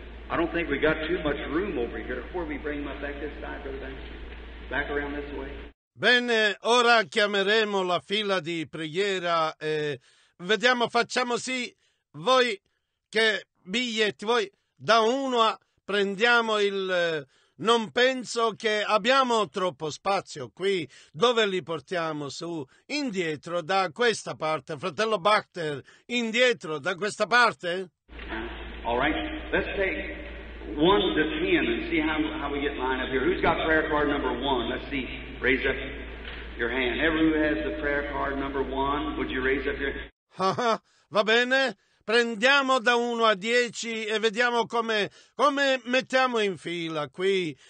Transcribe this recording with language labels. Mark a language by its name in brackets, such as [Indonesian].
[English] I don't think we got too much room over here. Where we bring my back this side, go back around this way. [Italian] Bene, ora chiameremo la fila di preghiera e vediamo, facciamo sì, voi che biglietti, voi da uno a prendiamo il... Non penso che abbiamo troppo spazio qui, dove li portiamo su? Indietro da questa parte, fratello Bachter, indietro da questa parte? [English] All right, let's take 1 to 10 and see how we get lined up here. Who's got prayer card number 1? Let's see. Raise up your hand. Everyone who has the prayer card number 1, would you raise up your hand? [Italian] Va bene. Prendiamo da 1 a 10 e vediamo come mettiamo in fila qui.